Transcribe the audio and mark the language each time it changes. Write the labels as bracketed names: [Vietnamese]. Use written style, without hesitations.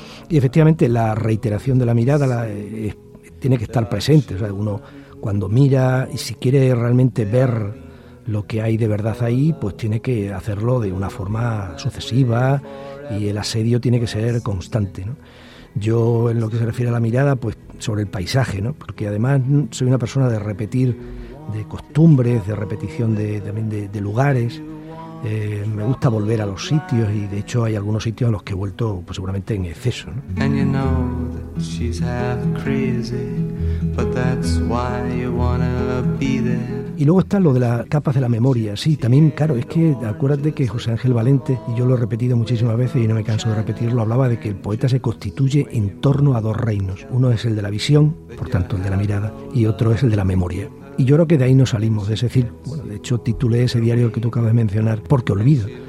[Spanish] Y efectivamente la reiteración de la mirada tiene que estar presente. O sea, uno cuando mira y si quiere realmente ver lo que hay de verdad ahí, pues tiene que hacerlo de una forma sucesiva y el asedio tiene que ser constante, ¿no? Yo, en lo que se refiere a la mirada, pues sobre el paisaje, ¿no? Porque además soy una persona de repetir, de costumbres, de repetición de lugares. Me gusta volver a los sitios y de hecho hay algunos sitios a los que he vuelto, pues seguramente en exceso, ¿no? [English] And you know that she's half crazy, but that's why you wanna be there. [Spanish] Y luego está lo de las capas de la memoria. Sí, también, claro, es que acuérdate que José Ángel Valente, y yo lo he repetido muchísimas veces y no me canso de repetirlo, hablaba de que el poeta se constituye en torno a dos reinos. Uno es el de la visión, por tanto el de la mirada, y otro es el de la memoria. Y yo creo que de ahí no salimos, es decir, bueno, de hecho titulé ese diario que tú acabas de mencionar, Porque olvido.